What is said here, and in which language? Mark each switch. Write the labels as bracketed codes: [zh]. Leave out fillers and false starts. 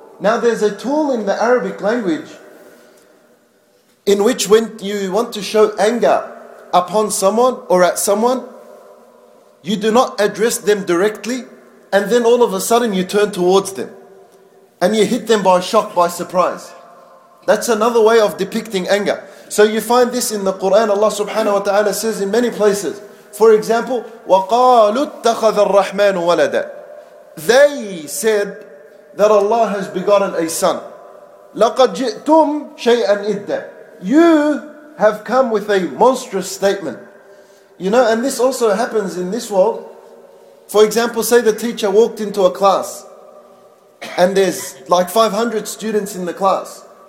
[en] Now there's a tool in the Arabic language, in which when you want to show anger upon someone or at someone, you do not address them directly, and then all of a sudden you turn towards them, and you hit them by shock, by surprise. That's another way of depicting anger. So you find this in the Quran. Allah subhanahu wa ta'ala says in many places. For example, [ar] وَقَالُوا اتَّخَذَ الرَّحْمَنُ وَلَدًا. [en] They said that Allah has begotten a son. [ar] لَقَدْ جِئْتُمْ شَيْئًا إِدَّا. [en] You have come with a monstrous statement. You know, and this also happens in this world. For example, say the teacher walked into a class, and there's like 500 students in the class.